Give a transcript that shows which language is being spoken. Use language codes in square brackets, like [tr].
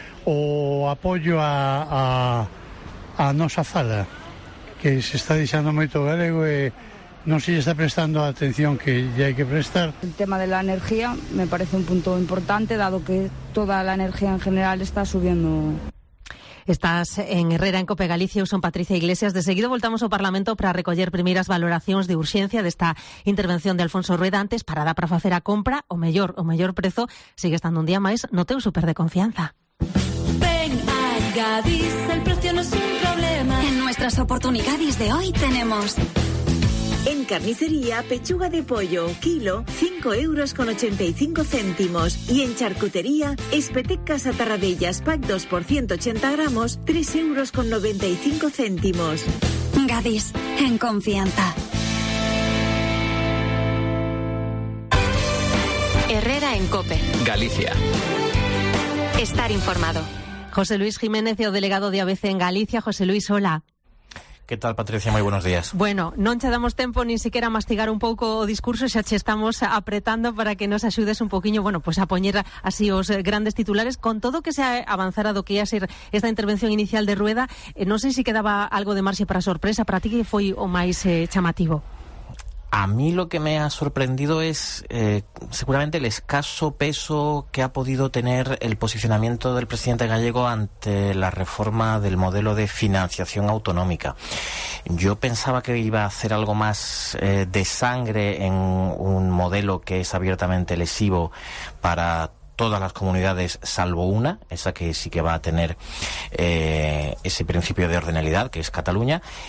[gl] O apoio a nosa fala, que se está deixando moito galego e non se está prestando a atención que lle hai que prestar. O tema da enerxía me parece un punto importante, dado que toda a enerxía en general está subiendo. [es] Estás en Herrera, en COPE Galicia. [gl] Eu son Patricia Iglesias. De seguido voltamos ao Parlamento para recoller primeiras valoracións de urxencia desta intervención de Alfonso Rueda antes, parada para facer a compra, o mellor prezo, sigue estando un día máis no teu super de confianza. Ven a [es] Oportunicadis, el precio no es un problema. En nuestras Oportunicadis de hoy tenemos... En carnicería, pechuga de pollo, kilo, 5,85 euros. Y en charcutería, espetecas a tarradellas, pack 2 por 180 gramos, 3,95 euros. Gadis, en confianza. Herrera en COPE. Galicia. Estar informado. José Luis Jiménez, CEO delegado de ABC en Galicia. José Luis, hola. ¿Qué tal, Patricia? Muy buenos días. [gl] Bueno, non che damos tempo nin siquiera a mastigar un pouco o discurso, xa che estamos apretando para que nos axudes un poquinho, bueno, pues a poñer así os grandes titulares. Con todo que se avanzara do que ia ser esta intervención inicial de Rueda, non sei se quedaba algo de marxe para sorpresa. Para ti, que foi o máis chamativo? [es] A mí lo que me ha sorprendido es seguramente el escaso peso que ha podido tener el posicionamiento del presidente gallego ante la reforma del modelo de financiación autonómica. Yo pensaba que iba a hacer algo más de sangre en un modelo que es abiertamente lesivo para todas las comunidades salvo una, esa que sí que va a tener ese principio de ordinalidad, que es Cataluña.